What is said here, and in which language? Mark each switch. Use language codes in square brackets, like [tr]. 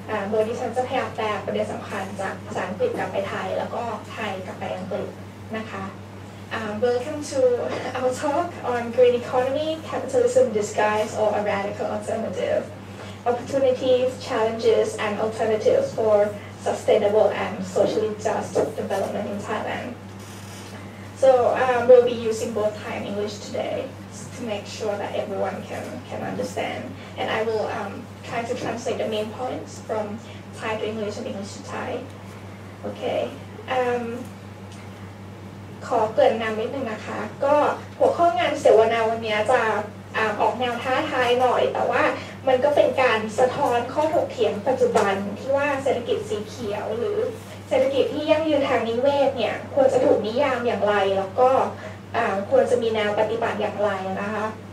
[th] โดยดิฉันจะพยายามแปลประเด็นสำคัญจากภาษาอังกฤษกลับไปไทยแล้วก็ไทยกลับไปอังกฤษนะคะ [en] Welcome to our talk on Green Economy, Capitalism Disguised or a Radical Alternative, Opportunities, Challenges and Alternatives for Sustainable and Socially Just Development in Thailand. So we'll be using both Thai and English today to make sure that everyone can understand. And I will try to translate the main points from Thai to English and English to Thai. Okay. [th] ขอเกริ่นนำนิดนึงนะคะก็หัวข้องานเสวนาวันนี้จะออกแนวท้าทายหน่อยแต่ว่ามันก็เป็นการสะท้อนข้อถกเถียงปัจจุบันที่ว่าเศรษฐกิจสีเขียวหรือเศรษฐกิจที่ยั่งยืนทางนิเวศเนี่ยควรจะถูกนิยามอย่างไรแล้วก็ควรจะมีแนวปฏิบัติอย่างไรนะคะ